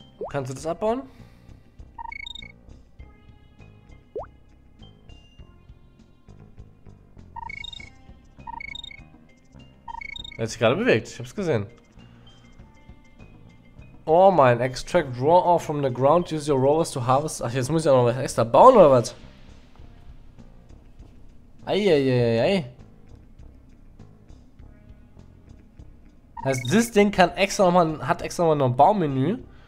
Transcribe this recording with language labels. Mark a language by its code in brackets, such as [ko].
[de] Kannst du das abbauen? Er hat sich gerade bewegt, ich hab's gesehen. Oh mein, [en] extract raw ore from the ground, use your rovers to harvest. [de] Ach, jetzt muss ich auch noch was extra bauen oder was? Eieieiei. Heißt, das Ding kann extra nochmal, hat extra nochmal noch ein Baumenü.